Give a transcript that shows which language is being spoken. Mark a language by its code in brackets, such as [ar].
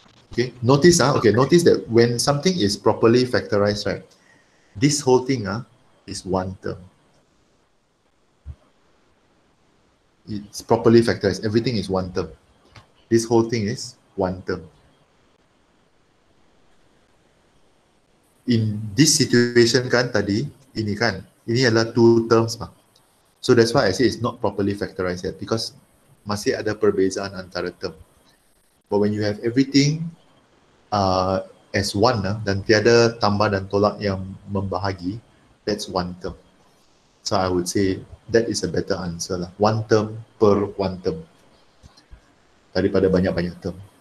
[en] Okay. Notice ah. Okay. Notice that when something is properly factorized, right? This whole thing is one term. It's properly factorized. Everything is one term. This whole thing is one term. In this situation [ms] kan tadi, ini kan, ini adalah two terms mah. [en] So that's why I say it's not properly factorized yet because [ms] masih ada perbezaan antara term. [en] But when you have everything as one lah, [ms] dan tiada tambah dan tolak yang membahagi, [en] that's one term. So I would say that is a better answer lah. One term per one term [ms] daripada banyak-banyak term.